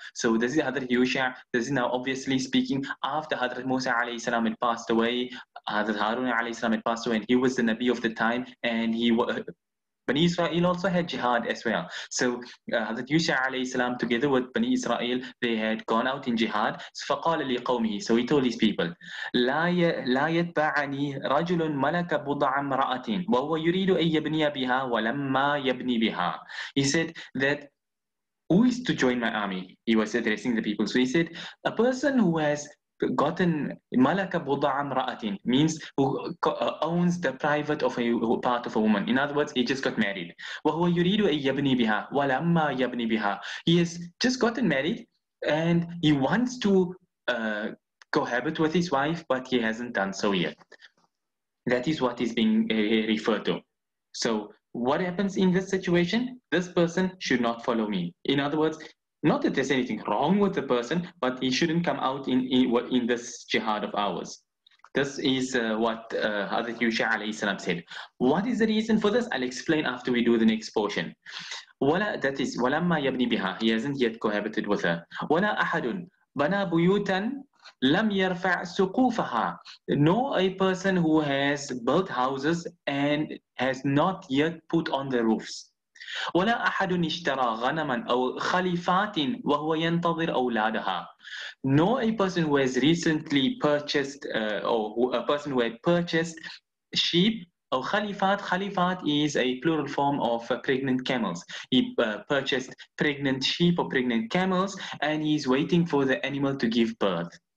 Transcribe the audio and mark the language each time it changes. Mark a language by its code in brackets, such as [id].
[en] So this is Hadhrat Yoosha. This is now obviously speaking after Hadhrat Musa alayhi salam had passed away. Hadhrat Harun alayhi salam had passed away, and he was the Nabi of the time, and Bani Israel also had jihad as well. So Hadhrat Yusha alayhi salam, together with Bani Israel, they had gone out in jihad. [ar] فَقَالَ لِقَوْمِهِ, [en] so he told his people, [ar] لَا يَتْبَعَنِي رَجُلٌ مَلَكَ بُضْعَ مْرَأَةٍ وَهُوَ يُرِيدُ أَن يَبْنِيَ بِهَا وَلَمَّا يَبْنِي بِهَا. [en] He said that, who is to join my army? He was addressing the people. So he said, a person who has gotten [ar] malaka budam ra'atin, [en] means who owns the private of a part of a woman. In other words, he just got married. [ar] وَهُوَ يُرِيدُ أَن يَبْنِي بِهَا وَلَمَّا يَبْنِي بِهَا. [en] He has just gotten married and he wants to cohabit with his wife, but he hasn't done so yet. That is what is being referred to. So what happens in this situation? This person should not follow me. In other words, not that there's anything wrong with the person, but he shouldn't come out in this jihad of ours. This is what Hadhrat Yusha alayhi salam said. What is the reason for this? I'll explain after we do the next portion. That is, [ar] وَلَمَّا يَبْنِي بِهَا, [en] he hasn't yet cohabited with her. [ar] وَلَا أَحَدٌ بَنَا بُيُوتًا لَمْ يَرْفَعْ سُقُوفَهَا, [en] no a person who has built houses and has not yet put on the roofs. [ar] ولا أحد اشترى غنما أو خليفات وهو ينتظر أولادها. [en] No a person who has recently purchased a person who had purchased sheep [ar] أو خليفات. [en] خليفات is a plural form of pregnant camels. He purchased pregnant sheep or pregnant camels, and he is waiting for the animal to give birth.